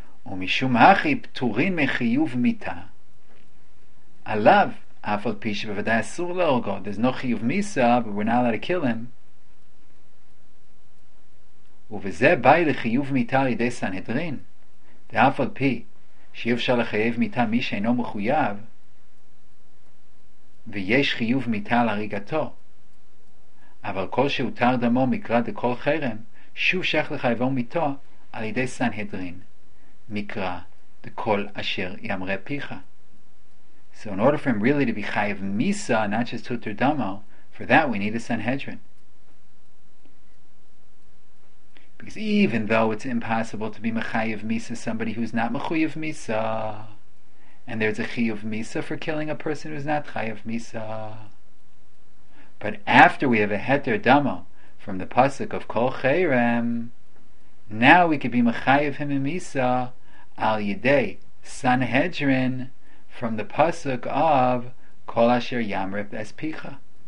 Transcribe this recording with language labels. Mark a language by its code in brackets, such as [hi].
[he] ומשום הכי פטורין מחיוב מיטה עליו אף על פי שבוודאי אסור להורגו. [en] There's no [he] חיוב מיסה, [en] but we're not allowed to kill him. [he] ובזה באי לחיוב מיטה על ידי סנהדרין, דאף על פי שאי אפשר לחייב מיטה מי שאינו מחויב, ויש חיוב מיטה על הריגתו, אבל כל שהותר דמו מקרא דכל חרם שוב שייך לחייבו מיטו על ידי סנהדרין מקרא דכל אשר ימרה פיך. [en] So in order for him really to be chayev misa, not just tutur damo, for that we need a Sanhedrin. Because even though it's impossible to be mechayev misa, somebody who's not mechayev misa, and there's a chayev misa for killing a person who's not chayev misa, but after we have a heter damo from the pasuk of kol chayrem, now we could be mechayev him in misa al yidei Sanhedrin, from the pasuk of Kol Asher Yamrep Espicha.